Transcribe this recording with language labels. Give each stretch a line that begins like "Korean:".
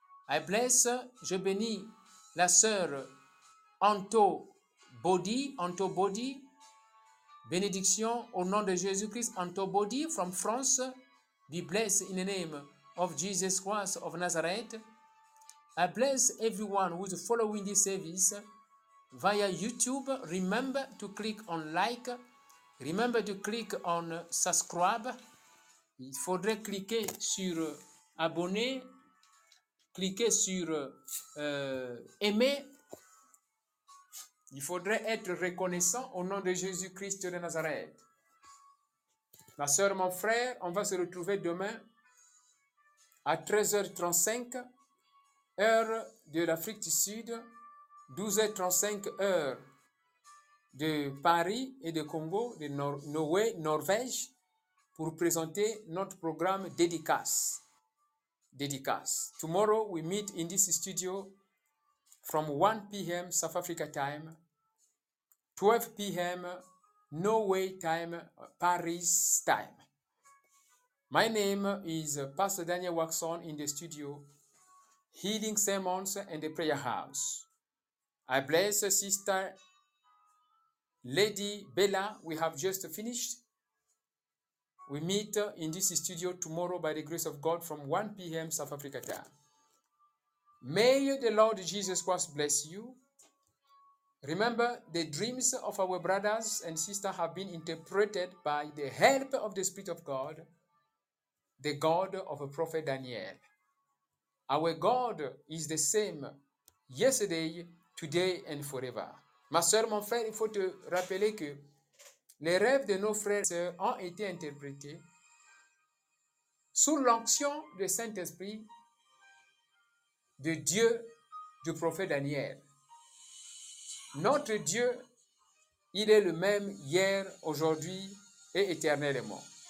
English: I bless,
French: je bénis la sœur Anto Body, bénédiction au nom de Jésus Christ, Anto Body
English: from France. Be blessed in the name of Jesus Christ of Nazareth. I bless everyone who is following this service via YouTube. Remember to click on like. Remember to click on subscribe.
French: Il faudrait cliquer sur abonner. Cliquer sur aimer. Il faudrait être reconnaissant au nom de Jésus Christ de Nazareth. Ma soeur, mon frère, on va se retrouver demain à 13h35, heure de l'Afrique du Sud, 12h35, heure de Paris et de Congo, de Norvège, pour présenter notre programme dédicace. Dédicace.
English: Tomorrow, we meet in this studio from 1 p.m. South Africa time, 12 p.m. Norway time, Paris time. My name is Pastor Daniel Waxon in the studio, Healing Sermons and the Prayer House. I bless Sister Lady Bella. We have just finished. We meet in this studio tomorrow by the grace of God from 1 p.m. South Africa time. May the Lord Jesus Christ bless you. Remember, the dreams of our brothers and sisters have been interpreted by the help of the Spirit of God, the God of the prophet Daniel. Our God is the same yesterday, today, and forever.
French: Ma soeur, mon frère, il faut te rappeler que les rêves de nos frères et soeurs ont été interprétés sous l'onction du Saint-Esprit, de Dieu, du prophète Daniel. Notre Dieu, il est le même hier, aujourd'hui et éternellement.